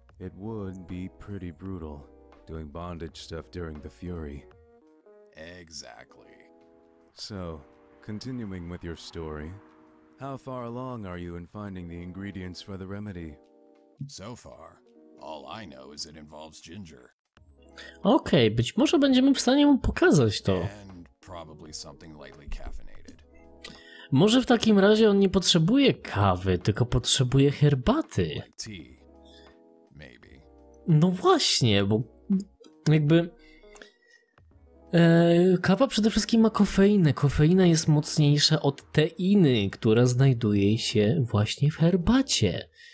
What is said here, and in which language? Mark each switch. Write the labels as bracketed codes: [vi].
[en] It would be pretty brutal. Doing bondage stuff during the Fury. Exactly. So, continuing with your story, how far along are you in finding the ingredients for the remedy? So far, all I know is it involves ginger. [pl] Okay, być może będziemy w stanie mu pokazać to. [en] And probably something lightly caffeinated. [pl] Może w takim razie on nie potrzebuje kawy, tylko potrzebuje herbaty. [en] Like tea. Maybe. [pl] No właśnie, bo jakby kawa przede wszystkim ma kofeinę. Kofeina jest mocniejsza od teiny, która znajduje się właśnie w herbacie.